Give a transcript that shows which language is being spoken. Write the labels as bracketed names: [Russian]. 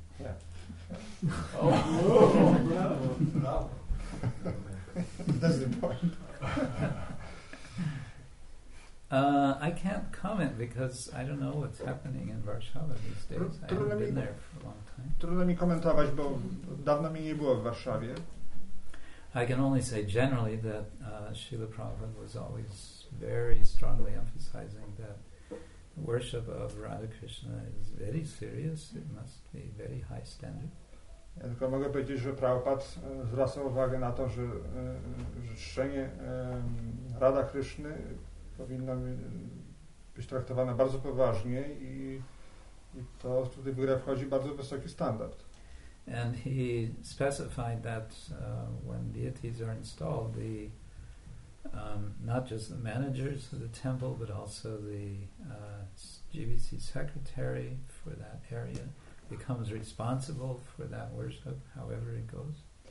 [English] Yeah. Oh, oh, oh, bravo, bravo. That's the point. I can't comment because I don't know what's happening in Warszawa these days. I haven't been there for a long time. [Polish] Trudno mi komentować, bo dawno mi nie było w Warszawie. [English] I can only say generally that Srila Prabhupada was always very strongly emphasizing that worship of Radha Krishna is very serious. It must be very high standard. [Polish] Ja tylko mogę powiedzieć, że Prabhupada zwracał uwagę na to, że czczenie Radha Krishny powinno być traktowane bardzo poważnie i to tutaj w grę wchodzi bardzo wysoki standard. [English] And he specified that when deities are installed, the not just the managers of the temple, but also the GBC secretary for that area becomes responsible for that worship, however it goes.